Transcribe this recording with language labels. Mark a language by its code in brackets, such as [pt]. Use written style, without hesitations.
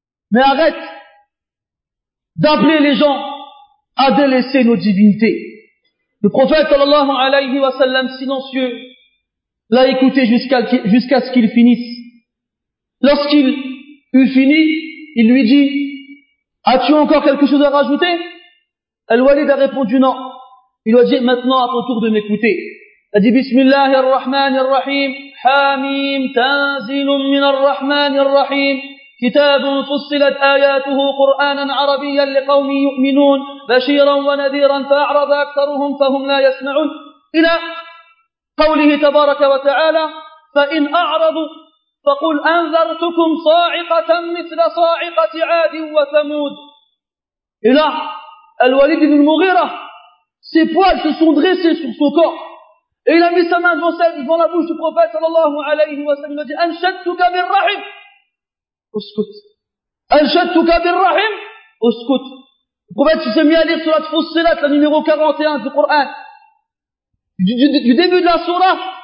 [fr] Mais arrête d'appeler les gens à délaisser nos divinités. » Le prophète sallallahu alayhi wa sallam, silencieux, l'a écouté jusqu'à ce qu'il finisse. Lorsqu'il eut fini, il lui dit, as-tu encore quelque chose à rajouter? Al-Walid a répondu non. Il lui a dit, maintenant à ton tour de m'écouter. Il a dit, [ar] Bismillahirrahmanirrahim, Hamim, tanzilun minarrahmanirrahim, كتاب فصلت آياته قرآنا عربيا لقوم يؤمنون بشيرا ونذيرا فأعرض أكثرهم فهم لا يسمعون. إلى قوله تبارك وتعالى فإن أعرضوا فقل أنذرتكم صاعقة مثل صاعقة عاد وثمود. [fr] إلى الوليد بن المغيرة ses poils se sont dressés sur son corps et il a mis sa main devant la bouche du prophète صلى الله عليه وسلم et dit [ar] أنشدتك من رحم. Uskut. Anshadtuka bir rahim. Uskut. [fr] Le prophète s'est mis à lire sur la Fussilat, la numéro 41 du Coran. Du début de la surah